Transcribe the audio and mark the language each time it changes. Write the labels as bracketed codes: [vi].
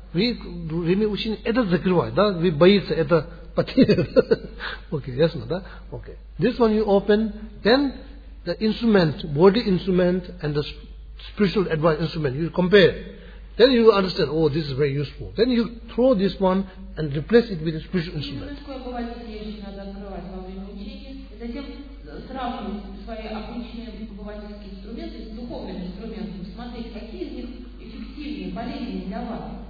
[ru] Время учения это закрывает, да? Вы боитесь, это потеряет. Окей, ясно, да? Окей. [en] This one you open, then the instrument, worldly instrument and the spiritual advice instrument, you compare. Then you understand, oh, this is very useful. Then you throw this one and replace it with a spiritual instrument. [ru] Какое бывает, если надо открывать во время учения, затем сравнивать свои обычные обывательские инструменты с духовными инструментами, смотреть, какие из них эффективнее, полезнее для вас.